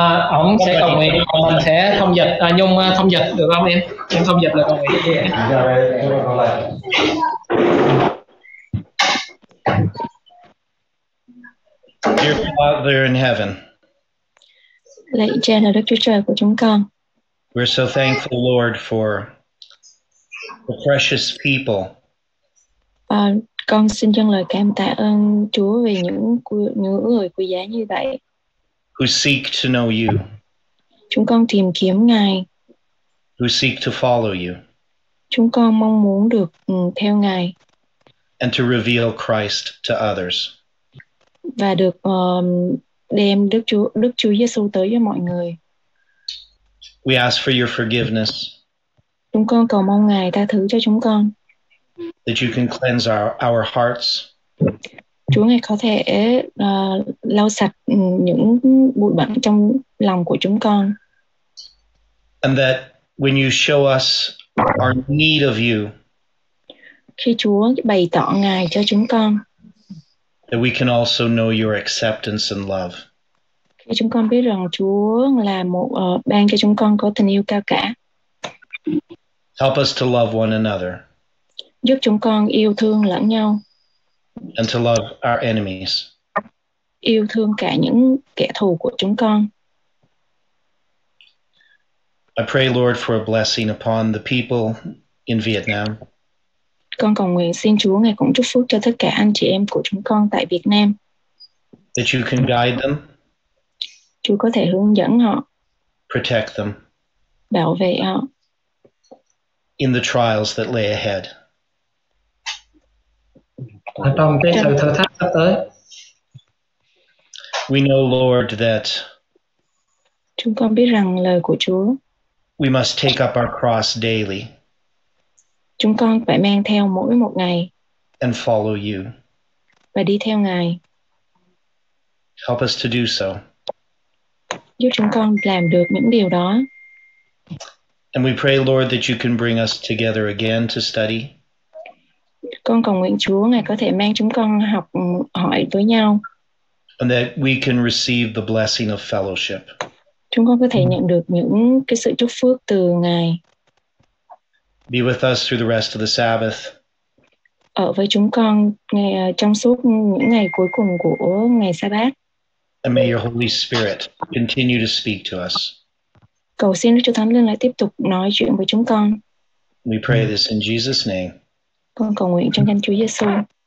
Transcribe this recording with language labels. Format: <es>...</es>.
<vi>Ông sẽ cầu nguyện, ông sẽ thông dịch. Nhung thông dịch được không em? Em thông dịch được cầu nguyện.</vi> <en>Dear Father in heaven.</en> <vi>Lạy Cha là Đức Chúa Trời của chúng con.</vi> <en>We're so thankful, Lord, for the precious people.</en> <vi>Con xin dâng lời cảm tạ ơn Chúa về những người quý giá như vậy.</vi> <en>Who seek to know you.</en> <vi>Chúng con tìm kiếm Ngài.</vi> <en>Who seek to follow you.</en> <vi>Chúng con mong muốn được theo Ngài.</vi> <en>And to reveal Christ to others.</en> <vi>Và được đem Đức Chúa Giê-xu tới cho mọi người.</vi> <en>We ask for your forgiveness.</en> <vi>Chúng con cầu mong Ngài tha thứ cho chúng con.</vi> <en>That you can cleanse our hearts.</en> <vi>Chúa Ngài có thể lau sạch những bụi bẩn trong lòng của chúng con.</vi> <en>And that when you show us our need of you.</en> <vi>Khi Chúa bày tỏ Ngài cho chúng con.</vi> <en>That we can also know your acceptance and love.</en> <vi>Khi chúng con biết rằng Chúa là một ban cho chúng con có tình yêu cao cả.</vi> <en>Help us to love one another.</en> <vi>Giúp chúng con yêu thương lẫn nhau.</vi> <en>And to love our enemies.</en> <vi>Yêu thương cả những kẻ thù của chúng con.</vi> <en>I pray, Lord, for a blessing upon the people in Vietnam.</en> <vi>Con cầu nguyện xin Chúa ngài cũng chúc phúc cho tất cả anh chị em của chúng con tại Việt Nam.</vi> <en>That you can guide them.</en> <vi>Chúa có thể hướng dẫn họ.</vi> <en>Protect them.</en> <vi>Bảo vệ họ.</vi> <en>In the trials that lay ahead.</en> <vi>Trong cái sự thử thách sắp tới.</vi> <en>We know, Lord, that</en> <vi>chúng con biết rằng lời của Chúa.</vi> <en>We must take up our cross daily.</en> <vi>Chúng con phải mang theo mỗi một ngày.</vi> <en>And follow you.</en> <vi>Và đi theo ngài.</vi> <en>Help us to do so.</en> <vi>Giúp chúng con làm được những điều đó.</vi> <en>And we pray, Lord, that you can bring us together again to study.</en> <vi>Con cầu nguyện Chúa ngài có thể mang chúng con học hỏi với nhau.</vi> <en>And that we can receive the blessing of fellowship.</en> <vi>Chúng con có thể nhận được những cái sự chúc phước từ ngài.</vi> <en>Be with us through the rest of the Sabbath.</en> <vi>Ở với chúng con trong suốt những ngày cuối cùng của ngày Sa-bát.</vi> <en>And may your Holy Spirit continue to speak to us.</en> <vi>Cầu xin Đức Chúa Thánh Linh lại tiếp tục nói chuyện với chúng con.</vi> <en>We pray this in Jesus' name.</en> <vi>Con cầu nguyện trong danh Chúa Giê-xu.</vi>